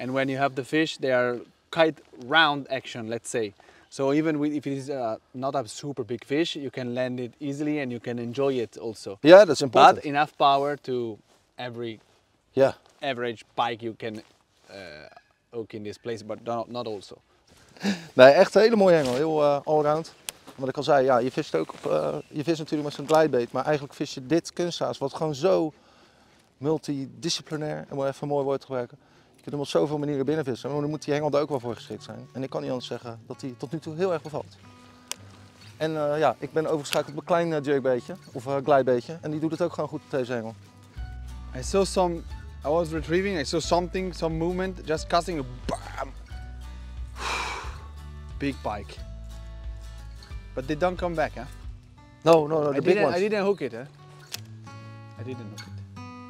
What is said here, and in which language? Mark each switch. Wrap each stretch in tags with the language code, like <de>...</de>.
<en>And when you have the fish, they are quite round action, let's say. So even if it is not a super big fish, you can land it easily and you can enjoy it also. Yeah, that's important. But enough power to every average bike you can hook in this place, but not also.</en> <nl>Nee, echt een hele mooie hengel, heel allround. Wat ik al zei, ja, je vist ook op, je vist natuurlijk met zo'n glidebait, maar eigenlijk vis je dit kunstaas, wat gewoon zo multidisciplinair, om even een mooi woord te gebruiken. Je kunt hem op zoveel manieren binnenvissen, maar dan moet die hengel er ook wel voor geschikt zijn. En ik kan niet anders zeggen dat hij tot nu toe heel erg bevalt. En ja, ik ben overgeschakeld op een klein jerkbaitje, of glidebaitje. En die doet het ook gewoon goed, deze hengel.</nl> <en>I saw some, I was retrieving, I saw something, some movement, just casting a bam. Big bike. But they don't come back, hè? Huh? No, the big ones. I didn't hook it, hè? I didn't hook it.</en>